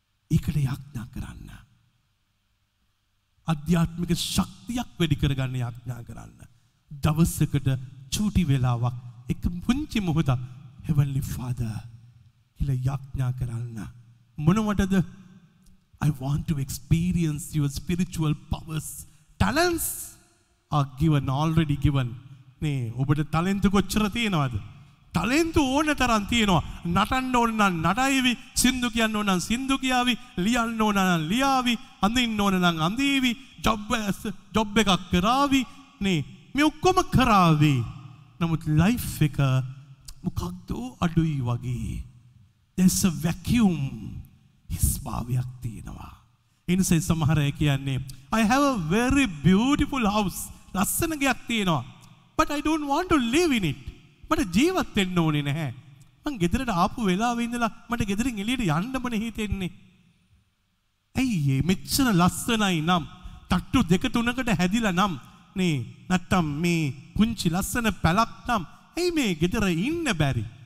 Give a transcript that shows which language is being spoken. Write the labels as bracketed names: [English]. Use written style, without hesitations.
[Sinhala] ඒකට යාඥා කරන්න, අධ්‍යාත්මික ශක්තියක් වැඩි කරගන්න යාඥා කරන්න. දවසකට චූටි වෙලාවක්, එක පුංචි මොහොතක් [English] heavenly father [Sinhala] කියලා යාඥා කරන්න. මොනවටද? [English] I want to experience your spiritual powers. talents are given, already given. [Sinhala] නේ ඔබට talent කොච්චර තියෙනවද? තලෙන්තු ඕන තරම් තියෙනවා. නටන්න ඕන නම් නටයිවි, සින්දු කියන්න ඕන නම් සින්දු කියාවි, ලියන්න ඕන නම් ලියාවි, අඳින්න ඕන නම් අඳීවි, ජොබ් එකක් කරාවි. නේ මේ ඔක්කොම කරාවි. නමුත් ලයිෆ් එක මොකක්ද අඩුයි වගේ. [English] There's a vacuum. His [Sinhala] භාවයක් තියෙනවා. ඉනිසෙයි සමහර අය කියන්නේ [English] I have a very beautiful house. [Sinhala] ලස්සන ගයක් තියෙනවා. [English] But I don't want to live in it. [Sinhala] මට ජීවත් වෙන්න ඕනේ නැහැ. මං ගෙදරට ආපු වෙලාවේ ඉඳලා මට ගෙදරින් එළියට යන්නම හිතෙන්නේ. ඇයි මෙච්චර ලස්සනයි නම් තට්ටු දෙක තුනකට හැදිලා නම් නේ නැත්තම් මේ කුංචි ලස්සන පැලක් නම් ඇයි මේ ගෙදර ඉන්න බැරි?